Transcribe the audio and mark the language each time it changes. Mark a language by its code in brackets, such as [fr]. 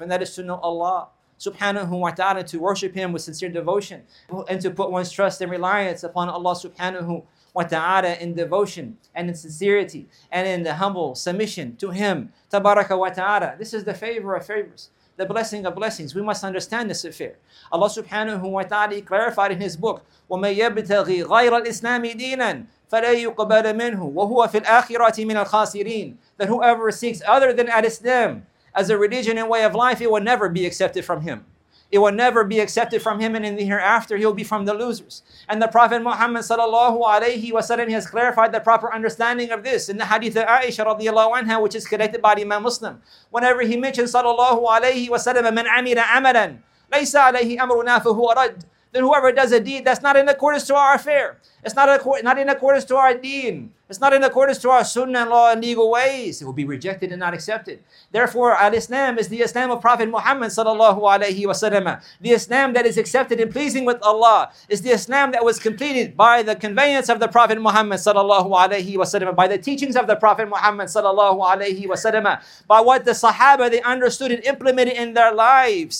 [en] And that is to know Allah subhanahu wa ta'ala, to worship Him with sincere devotion and to put one's trust and reliance upon Allah subhanahu wa ta'ala in devotion and in sincerity and in the humble submission to Him, tabaraka wa ta'ala. This is the favor of favors, the blessing of blessings. We must understand this affair. Allah subhanahu wa ta'ala clarified in His book, [ar] وَمَن يَبْتَغِي غَيْرَ الْإِسْلَامِ دِينًا فَلَا يُقْبَلَ مِنْهُ وَهُوَ فِي الْآخِرَةِ مِنَ الْخَاسِرِينَ. [en] That whoever seeks other than al-Islam as a religion and way of life, it will never be accepted from him. It will never be accepted from him, and in the hereafter, he will be from the losers. And the Prophet Muhammad sallallahu alayhi wa sallam, he has clarified the proper understanding of this in the hadith of Aisha radiallahu anha, which is collected by Imam Muslim. Whenever he mentions sallallahu alayhi wa sallam, [ar] من عمل عملا ليس عليه أمرنا فهو رد. [en] Then whoever does a deed that's not in accordance to our affair, it's not in accordance to our deen, it's not in accordance to our sunnah and law and legal ways, it will be rejected and not accepted. Therefore, al-Islam is the Islam of Prophet Muhammad sallallahu alayhi wa sallam. The Islam that is accepted and pleasing with Allah is the Islam that was completed by the conveyance of the Prophet Muhammad sallallahu alayhi wa sallam, by the teachings of the Prophet Muhammad sallallahu alayhi wa sallam, by what the Sahaba, they understood and implemented in their lives.